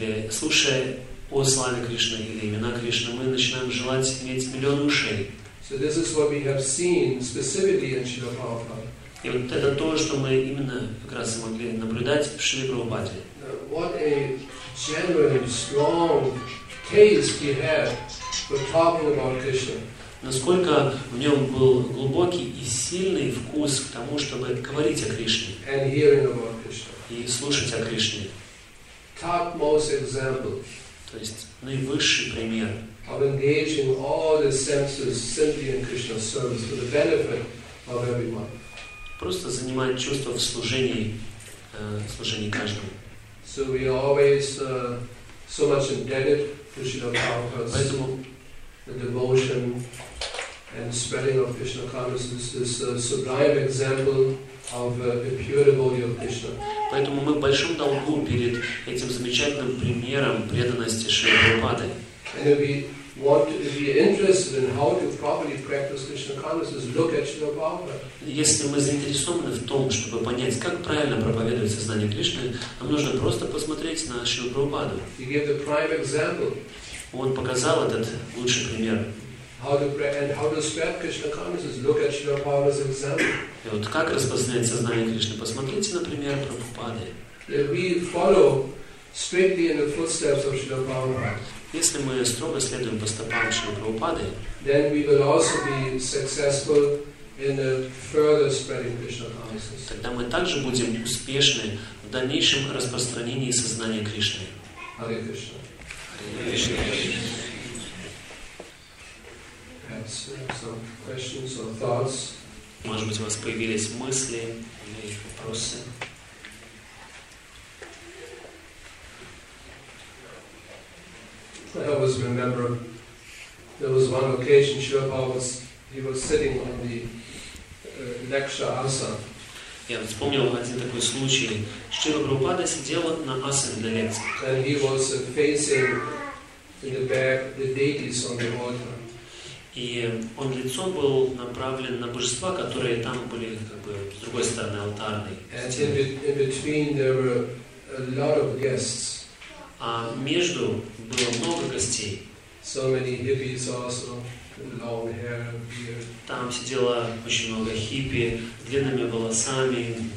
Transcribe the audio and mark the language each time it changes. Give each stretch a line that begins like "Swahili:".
Russian: Слушая о славе Кришны или имена Кришны, мы начинаем желать иметь миллионы ушей.
English: So this is what we have seen specifically in Srila Prabhupada.
Russian: И вот это то, что мы именно как раз могли наблюдать в Шри Прабхупаде.
English: What a genuine, strong taste he had for talking about Krishna.
Russian: Насколько в нем был глубокий и сильный вкус к тому, чтобы говорить о Кришне.
English: And hearing about Krishna.
Russian: И слушать о Кришне.
English: Topmost example.
Russian: То есть наивысший пример.
English: Of engaging all the senses simply in Krishna's service for the benefit of everyone.
Russian: Просто занимать чувство в служении, служении каждому.
English: So we are always so much indebted to Srila Prabhupada's devotion and spreading of Krishna consciousness. This sublime example of the pure devotee of Krishna.
Russian: Поэтому мы в большом долгу перед этим замечательным примером преданности Шри Прабхупады.
English: If you're interested in how to properly practice Krishna consciousness, look at Srila Prabhupada.
Russian: Если мы заинтересованы в том, чтобы понять, как правильно проповедовать сознание Кришны, нам нужно просто посмотреть на Шрилу Прабхупаду.
English: He gave the prime example.
Russian: Он показал этот лучший пример.
English: How to spread Krishna consciousness? Look at Srila Prabhupada's example.
Russian: И вот как распространять сознание Кришны? Посмотрите, например, Прабхупады.
English: If we follow strictly in the footsteps of Srila Prabhupada.
Russian: Если мы строго следуем по стопам Шрилы Прабхупады,
English: then we will also be successful in the further spreading Krishna consciousness.
Russian: Тогда мы также будем успешны в дальнейшем распространении сознания Кришны.
Sanskrit: Hare Krishna. Hare Krishna.
English: Perhaps some questions or thoughts.
Russian: Может быть, у вас появились мысли или вопросы?
English: I always remember there was one occasion Srila Prabhupada was he was sitting on the lecture asana.
Russian: Я вспомнил один такой случай. Шрила Прабхупада сидел на асане для лекции.
English: And he was facing in the back the deities on the altar.
Russian: И он лицом был направлен на божества, которые там были как бы с другой стороны алтарной.
English: And in between there were a lot of guests.
Russian: А между было много гостей.
English: So many hippies also, long hair, beard.
Russian: Там сидело очень много хиппи, с длинными волосами,